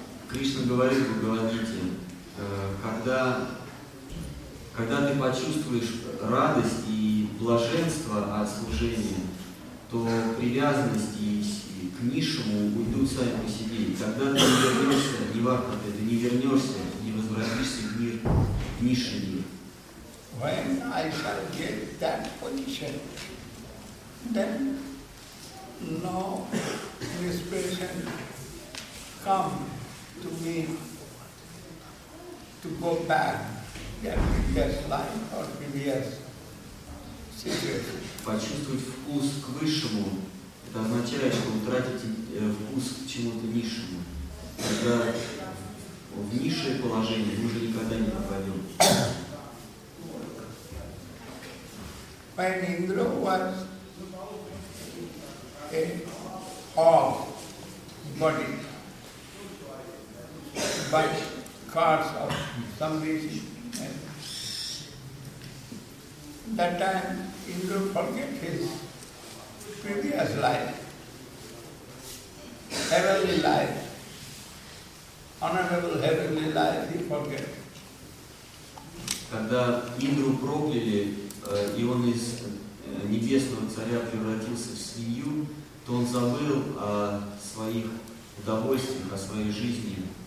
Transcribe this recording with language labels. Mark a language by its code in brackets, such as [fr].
[ru] Кришна говорит в Бхагавад-гите, когда ты почувствуешь радость и блаженство от служения, то привязанности к низшему уйдут сами по себе. И когда ты не вернешься, не важно, ты не вернешься, не возвратишься в мир, в низший мир. [en] When I shall get that position, then no inspiration come. To me, to go back to the previous life or previous situation. [ru] Почувствовать вкус к высшему, это означает, что утратить вкус к чему-то низшему. Когда в низшее положение, мы уже никогда не попадем. [en] When Indra was a hog body, by cars of some reason. And that time Indra forget his previous life, heavenly life, honorable heavenly life, he forget. [ru] Когда Индру прокляли, и он из небесного царя превратился в свинью, то он забыл о своих удовольствиях, о своей жизни.